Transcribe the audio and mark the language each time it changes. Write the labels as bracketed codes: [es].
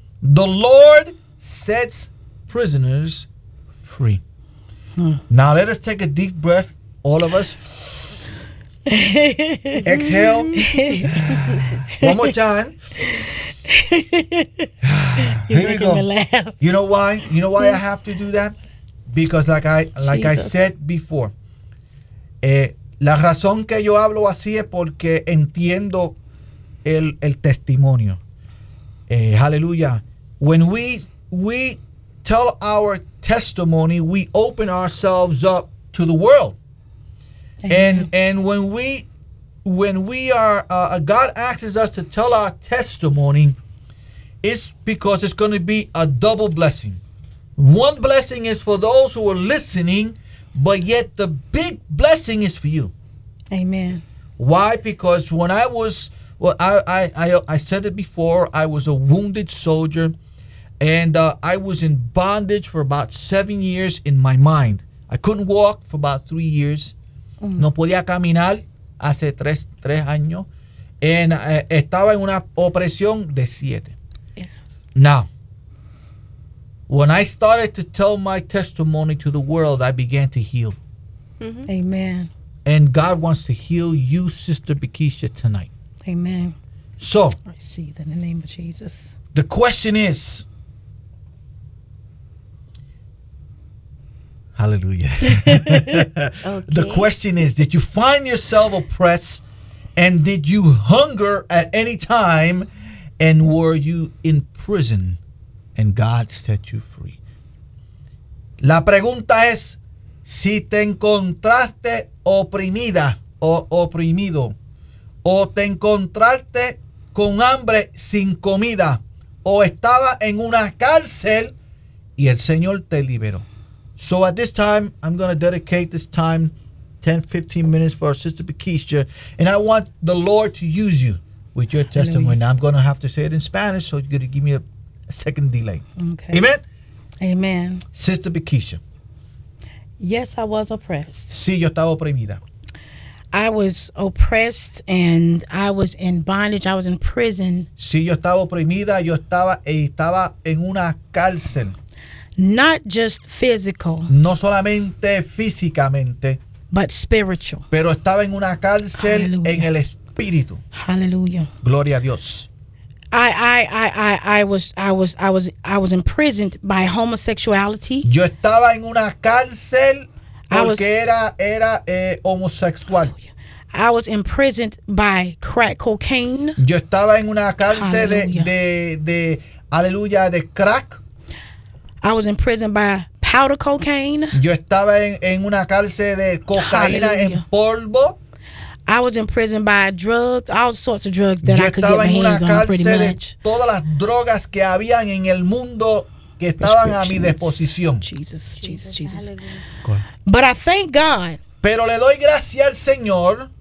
[en] The Lord sets prisoners free. Now let us take a deep breath, all of us. Exhale. One more time. Here we go. Laugh. You know why? You know why I have to do that? Because like I said before, [es] la razón que yo hablo así es porque entiendo el testimonio. [en] Hallelujah. When we tell our testimony, we open ourselves up to the world. Amen. And when we are God asks us to tell our testimony, It's because it's going to be a double blessing. One blessing is for those who are listening, but yet the big blessing is for you. Amen. Why? Because when I was, well, I said it before, I was a wounded soldier, and I was in bondage for about 7 years in my mind. I couldn't walk for about 3 years. Mm. [es] No podía caminar hace tres años. And estaba en una opresión de siete. [en] Yes. Now, when I started to tell my testimony to the world, I began to heal. Mm-hmm. Amen. And God wants to heal you, Sister Bekisha, tonight. Amen. So, I see that in the name of Jesus. The question is, hallelujah. Okay. The question is, did you find yourself oppressed, and did you hunger at any time, and were you in prison, and God set you free? [es] La pregunta es, si te encontraste oprimida o oprimido, o te encontraste con hambre sin comida, o estaba en una cárcel, y el Señor te liberó. [en] So at this time, I'm going to dedicate this time, 10, 15 minutes for our Sister Bekisha, and I want the Lord to use you with your testimony. Hallelujah. I'm going to have to say it in Spanish, so you're going to give me a second delay. Okay. Amen? Amen. Sister Bekisha. Yes, I was oppressed. [es] Sí, yo estaba oprimida. [en] I was oppressed and I was in bondage. I was in prison. [es] Sí, yo estaba oprimida. Yo estaba en una cárcel. [en] Not just physical. [es] No solamente físicamente. [en] But spiritual. [es] Pero estaba en una cárcel. Hallelujah. En el espíritu. [en] Hallelujah. [es] Gloria a Dios. [en] I was imprisoned by homosexuality. [es] Yo estaba en una cárcel porque era homosexual. [en] I was imprisoned by crack cocaine. [es] Yo estaba en una cárcel de crack. [en] I was imprisoned by powder cocaine. [es] Yo estaba en una cárcel de cocaína. [en] Hallelujah. [es] En polvo. [en] I was imprisoned by drugs, all sorts of drugs that [es] yo [en] I could get my hands on, pretty much. [es] Todas las drogas que habían en el mundo que estaban a mi disposición. [en] Jesus. Hallelujah. But I thank God. [es] Pero le doy gracias al Señor.